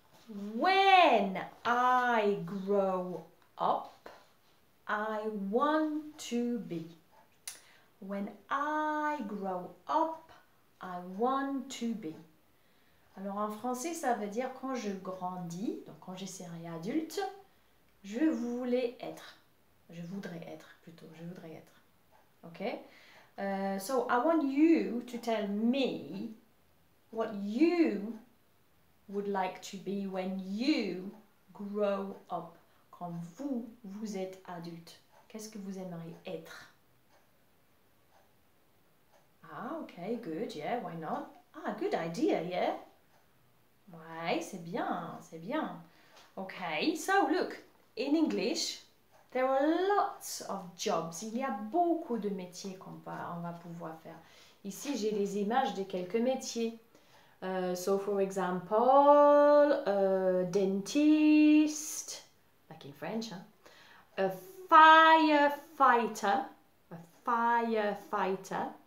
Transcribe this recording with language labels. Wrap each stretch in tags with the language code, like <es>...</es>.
<en>When I grow up, I want to be. When I grow up, I want to be.</en> <fr>Alors en français, ça veut dire quand je grandis, donc quand j'essaierai adulte, je voulais être. Je voudrais être plutôt, je voudrais être. Ok?</fr> <en>So I want you to tell me what you would like to be when you grow up.</en> <fr>Quand vous, vous êtes adulte. Qu'est-ce que vous aimeriez être?</fr> <en>Ah, ok, good, yeah, why not? Ah, good idea, yeah.</en> <fr>Ouais, c'est bien, c'est bien.</fr> <en>Ok, so look, in English, there are lots of jobs.</en> <fr>Il y a beaucoup de métiers qu'on va, on va pouvoir faire. Ici, j'ai les images de quelques métiers.</fr> <en>So for example, a dentist, like in French,</en> <fr>hein?</fr> <en>A firefighter, a firefighter.</en>